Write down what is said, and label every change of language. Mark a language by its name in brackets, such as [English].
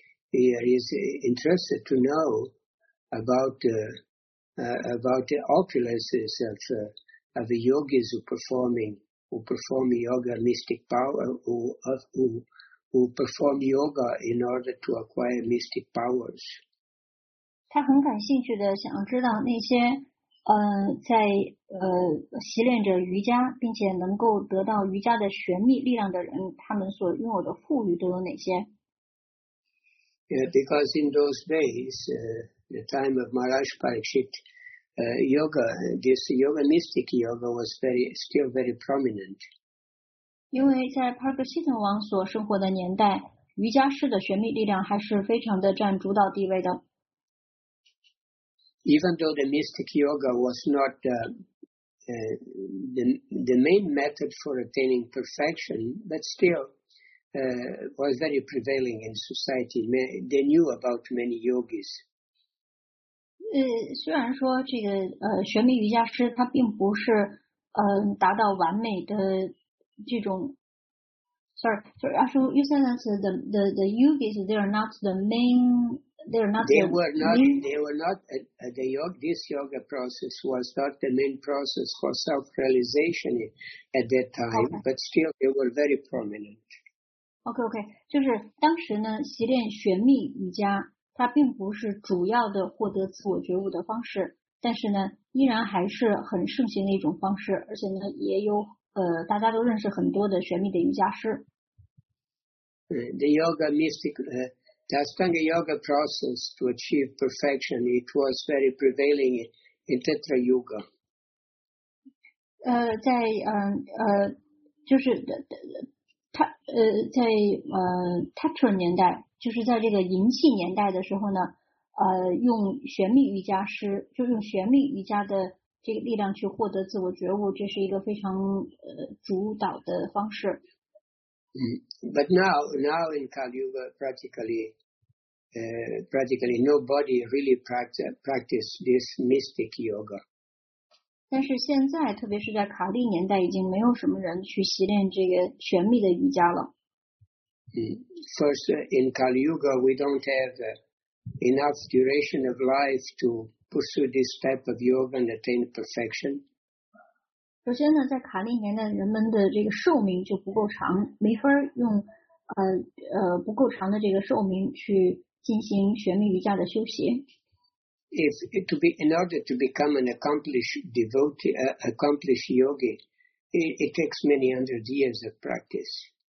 [English] He is interested to know about the opulences of the yogis who perform yoga mystic power who perform yoga in order to acquire mystic powers. [Chinese] 他很感兴趣的想知道那些在习练着瑜伽并且能够得到瑜伽的玄秘力量的人，他们所拥有的富裕都有哪些？ [English] Because in those days, the time of Maharaj Parikshit, yoga, this yoga, mystic yoga was very, still very prominent. [Chinese] 因为在帕克希腾王所生活的年代，瑜伽式的玄秘力量还是非常的占主导地位的。 [English] Even though the mystic yoga was not the main method for attaining perfection, but still was very prevailing in society. They knew about many yogis. [Chinese] 虽然说这个玄秘瑜伽师他并不是达到完美的这种 ， [English] sorry， [Chinese] 就是说 ， [English] you said that the yogis they are not the main。 This yoga process was not the main process for self-realization at that time, okay. But still they were very prominent. Okay, okay. [Chinese] 就是当时呢，习练玄秘瑜伽，它并不是主要的获得自我觉悟的方式，但是呢，依然还是很盛行的一种方式，而且呢，也有大家都认识很多的玄秘的瑜伽师。 [English] The yoga mystic. The Ashtanga Yoga process to achieve perfection, it was very prevailing in Tetra Yuga. [Chinese] 在就是在Tetra 年代，就是在这个银器年代的时候呢，用玄秘瑜伽师，就用玄秘瑜伽的这个力量去获得自我觉悟，这是一个非常主导的方式。 [English] But now in Kali Yuga practically nobody really practice this mystic yoga. [Chinese] 但是现在，特别是在卡利年代，已经没有什么人去习练这个玄秘的瑜伽了。 [English] First, in Kali Yuga, we don't have enough duration of life to pursue this type of yoga and attain perfection. [Chinese] 首先呢，在卡利年代，人们的这个寿命就不够长，没法用不够长的这个寿命去。进行玄秘瑜伽的修习。 [English] If to be in order to become an accomplished devotee, accomplished yogi, it takes many hundred years of practice.